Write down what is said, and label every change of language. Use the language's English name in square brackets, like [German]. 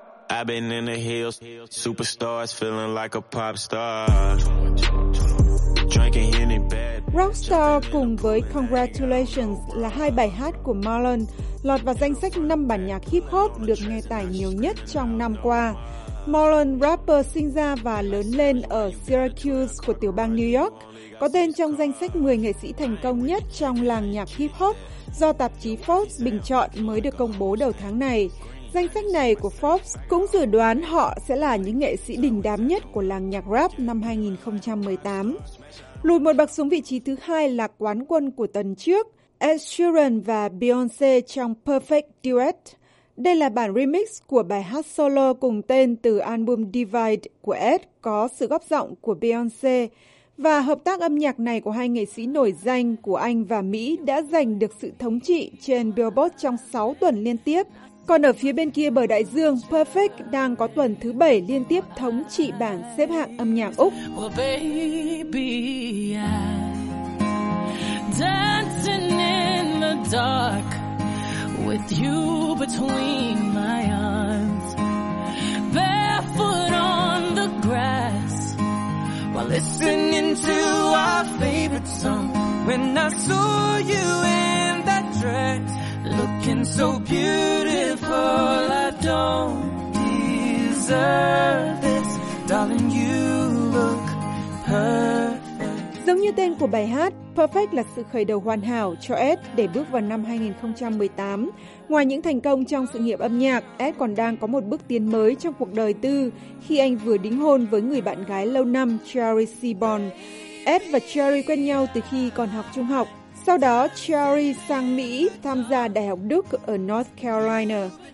[English] I've been in the hills, superstars feeling like a pop star. Drinking Henny bad. [Vietnamese] Rockstar cùng với Congratulations là hai bài hát của Marlon lọt vào danh sách 5 bản nhạc hip hop được nghe tải nhiều nhất trong năm qua. Marlon, rapper sinh ra và lớn lên ở Syracuse của tiểu bang New York, có tên trong danh sách 10 nghệ sĩ thành công nhất trong làng nhạc hip-hop do tạp chí Forbes bình chọn mới được công bố đầu tháng này. Danh sách này của Forbes cũng dự đoán họ sẽ là những nghệ sĩ đình đám nhất của làng nhạc rap năm 2018. Lùi một bậc xuống vị trí thứ hai là quán quân của tuần trước, Ed Sheeran và Beyoncé trong Perfect Duet. Đây là bản remix của bài hát solo cùng tên từ album Divide của Ed có sự góp giọng của Beyoncé. Và hợp tác âm nhạc này của hai nghệ sĩ nổi danh của Anh và Mỹ đã giành được sự thống trị trên Billboard trong 6 tuần liên tiếp. Còn ở phía bên kia bờ đại dương, Perfect đang có tuần thứ 7 liên tiếp thống trị bảng xếp hạng âm nhạc Úc. [English] Well, baby, dancing in the dark with you between my arms, barefoot on the grass while listening to our favorite song. When I saw you in that dress looking so beautiful, I don't deserve this, darling, you look perfect. [Vietnamese] Giống như tên của bài hát, Perfect là sự khởi đầu hoàn hảo cho Ed để bước vào năm 2018. Ngoài những thành công trong sự nghiệp âm nhạc, Ed còn đang có một bước tiến mới trong cuộc đời tư khi anh vừa đính hôn với người bạn gái lâu năm Cherry Seaborn. Ed và Cherry quen nhau từ khi còn học trung học. Sau đó, Cherry sang Mỹ tham gia Đại học Duke ở North Carolina.